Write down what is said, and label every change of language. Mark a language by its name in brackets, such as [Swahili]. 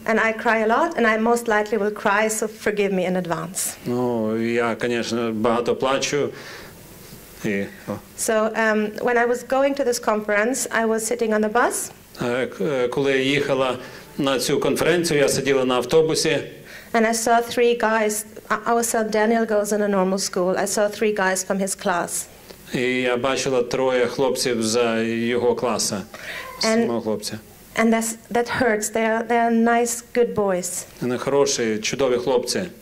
[English] And I cry a lot, and I most likely will cry, so forgive me in advance. [Ukrainian] Ну, я, конечно, багато плачу. [English] So when I was going to this conference, I was sitting on the bus. [Ukrainian] Коли я їхала на цю конференцію, я сиділа на автобусі. [English] And I saw three guys. Our son Daniel goes in a normal school. I saw three guys from his class. [Ukrainian] І я бачила троє хлопців з його класу. З мого хлопця. [English] And that hurts. They are nice, good boys. [Ukrainian] Вони хороші, чудові хлопці.